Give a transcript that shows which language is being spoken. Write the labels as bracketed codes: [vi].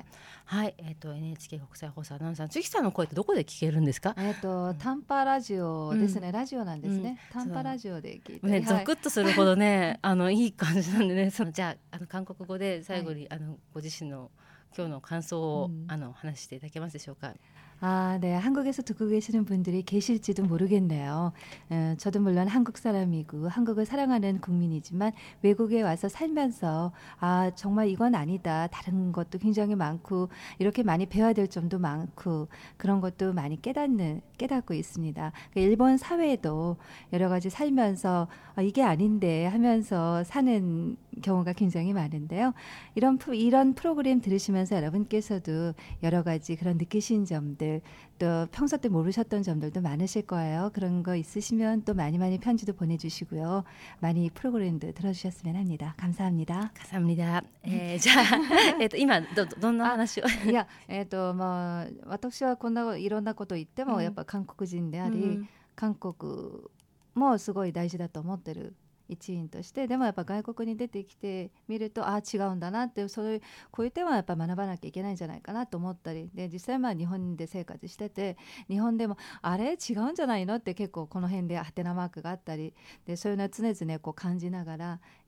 [ja] いえいえ、はい、NHK 国際放送アナウンサーちひさんの声ってどこで聞けるんですか。タンパラジオですね、うん、ラジオなんですね、うん、タンパラジオで聞いて、ね、ゾクッとするほどねあのいい感じなんでね、そのじゃ あの韓国語で最後に、はい、あのご自身の今日の感想を、うん、あの話していただけますでしょうか。 [ko] 아, 네. 한국에서 듣고 계시는 분들이 계실지도 모르겠네요. 저도 물론 한국 사람이고 한국을 사랑하는 국민이지만 외국에 와서 살면서 아, 정말 이건 아니다. 다른 것도 굉장히 많고 이렇게 많이 배워야 될 점도 많고 그런 것도 많이 깨닫고 있습니다. 일본 사회도 여러 가지 살면서 아, 이게 아닌데 하면서 사는 경우가 굉장히 많은데요. 이런 프로그램 들으시면서 여러분께서도 여러 가지 그런 느끼신 점들 또 평소 때 모르셨던 점들도 많으실 거예요. 그런 거 있으시면 또 많이 많이 편지도 보내주시고요. 많이 프로그램도 들어주셨으면 합니다. 감사합니다. 감사합니다. 자, [ja] 今 どんな話を? 야, 뭐 私は こんないろんなこと言っても やっぱ 韓国人であり 韓国もすごい大事だと思ってる 一員として、でもやっぱ外国に出てきてみると、ああ、違うんだなって、そういう、こういう点はやっぱ学ばなきゃいけないんじゃないかなと思ったり、で、実際まあ日本で生活してて、日本でも、あれ違うんじゃないのって結構この辺で当てなマークがあったり、で、そういうのは常々こう感じながら、